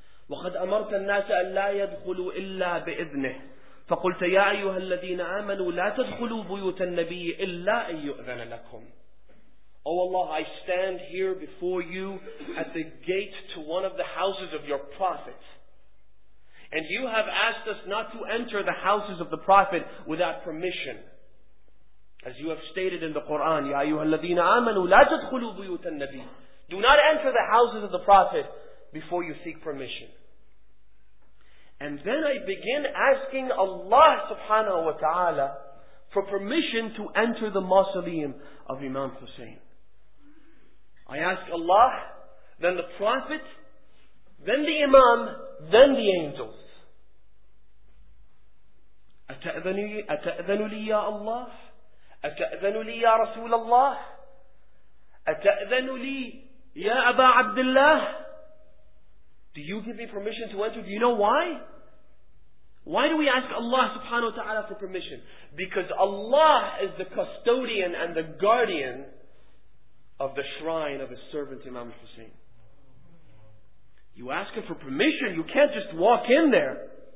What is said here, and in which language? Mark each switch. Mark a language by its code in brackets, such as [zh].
[ar] وَقَدْ أَمَرْتَ النَّاسَ أَنْ لَا يَدْخُلُوا إِلَّا بِإِذْنِهِ فَقُلْتَ يَا أَيُّهَا الَّذِينَ آمَنُوا لَا تَدْخُلُوا بُيُوتَ النَّبِيِّ إِلَّا أَنْ يُؤْذَنَ لَكُمْ. [en] O Allah, I stand here before you at the gate to one of the houses of your prophet. And you have asked us not to enter the houses of the prophet without permission. As you have stated in the Quran, [ar] يَا أَيُّهَا الَّذِينَ آمَنُوا لَا تَدْخُلُوا بُيُوتَ النَّبِيِّ. [en] Do not enter the houses of the prophet before you seek permission. And then I begin asking Allah subhanahu wa ta'ala for permission to enter the mausoleum of Imam Hussein. I ask Allah, then the Prophet, then the Imam, then the angels. [ar] أتأذن لي يا الله؟ أتأذن لي يا رسول الله؟ أتأذن لي يا أبا عبد الله؟ [en] Do you give me permission to enter? Do you know why? Why do we ask Allah subhanahu wa ta'ala for permission? Because Allah is the custodian and the guardian of the shrine of His servant Imam Hussein. You ask Him for permission, you can't just walk in there.